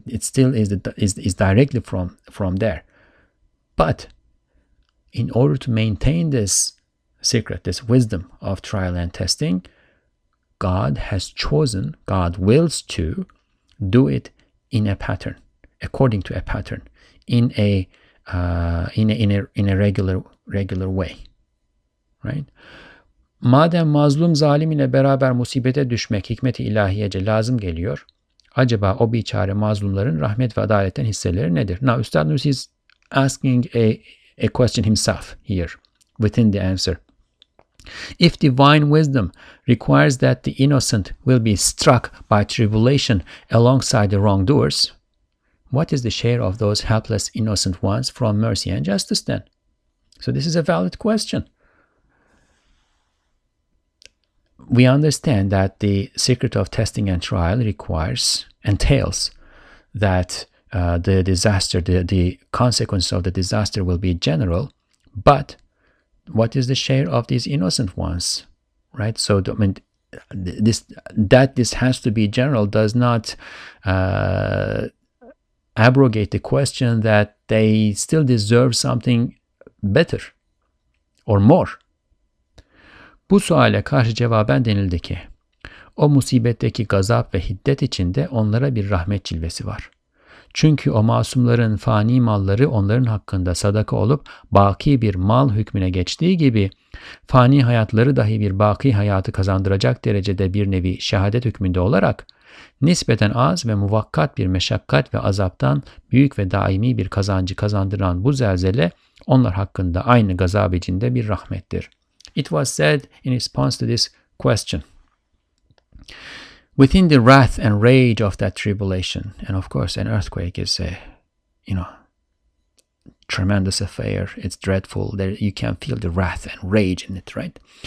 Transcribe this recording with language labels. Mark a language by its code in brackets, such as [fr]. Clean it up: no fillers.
[en] It still is directly from there. But in order to maintain this secret, this wisdom of trial and testing, God has chosen, God wills to do it in a pattern, according to a pattern, in a regular way. Right? [tr] Madem mazlum zalim ile beraber musibete düşmek hikmeti ilahiyece lazım geliyor, acaba o biçare mazlumların rahmet ve adaletten hisseleri nedir? [en] Now, Üstad Nursi is asking a question himself here within the answer. If divine wisdom requires that the innocent will be struck by tribulation alongside the wrongdoers, what is the share of those helpless innocent ones from mercy and justice then? So this is a valid question. We understand that the secret of testing and trial entails that the disaster, the consequence of the disaster will be general, but what is the share of these innocent ones, right? So I mean, this has to be general does not abrogate the question that they still deserve something better or more. [tr] Bu suale karşı cevaben denildi ki, o musibetteki gazap ve hiddet içinde onlara bir rahmet cilvesi var. Çünkü o masumların fani malları onların hakkında sadaka olup baki bir mal hükmüne geçtiği gibi, fani hayatları dahi bir baki hayatı kazandıracak derecede bir nevi şehadet hükmünde olarak, nispeten az ve muvakkat bir meşakkat ve azaptan büyük ve daimi bir kazancı kazandıran bu zelzele, onlar hakkında aynı gazap içinde bir rahmettir. [en] It was said in response to this question. Within the wrath and rage of that tribulation, and of course an earthquake is a, you know, tremendous affair, it's dreadful, there you can feel the wrath and rage in it, right?